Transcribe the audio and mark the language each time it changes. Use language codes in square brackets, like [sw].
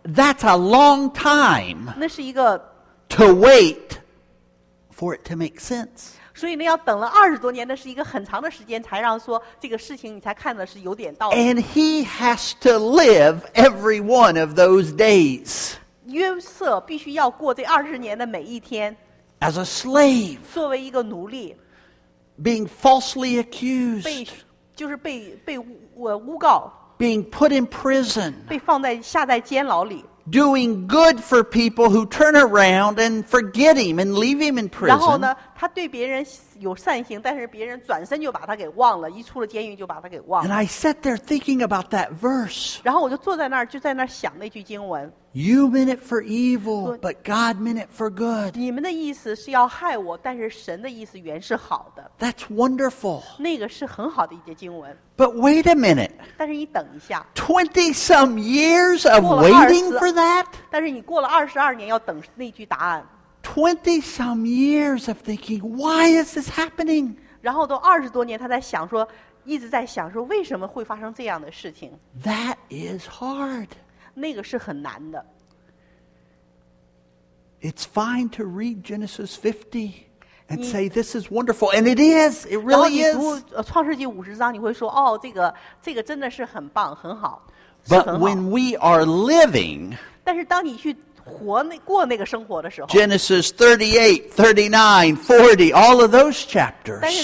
[en] That's a long time [zh] 那是一个 [en] to wait for it to make sense [zh] 所以呢要等了20多年那是一个很长的时间才让说这个事情你才看的是有点道理 [en] And he has to live every one of those days [zh] 约瑟必须要过这20年的每一天 [en] As a slave, [zh] 作为一个奴隶 [en] being falsely accused, [zh] 就是被诬告 [en] being put in prison, [zh] 被下在监牢里 [en] doing good for people who turn around and forget him and leave him in prison. [zh] 然后呢，他对别人有善行，但是别人转身就把他给忘了，一出了监狱就把他给忘了。 [en] And I sat there thinking about that verse. [zh] 然后我就坐在那儿，就在那儿想那句经文。 [en] You meant it for evil, but God meant it for good. [zh] 你们的意思是要害我, 但是神的意思原是好的。 [en] That's wonderful. [zh] 那个是很好的一节经文。 [en] But wait a minute. [zh] 但是你等一下。 [en] 20 some years of waiting for that? [zh] 但是你过了22年要等那句答案。 [en] 20 some years of thinking, why is this happening? [zh] 然后都20多年他在想说, 一直在想说为什么会发生这样的事情。 [en] That is hard. [zh] 那个是很难的。 [en] It's fine to read Genesis 50 and say this is wonderful, and it is. It really is. [zh] 创世纪50章，你会说哦，这个真的是很棒，很好。 [en] But when we are living, [zh] 但是当你去活那过那个生活的时候， [en] Genesis 38, 39, 40, all of those chapters.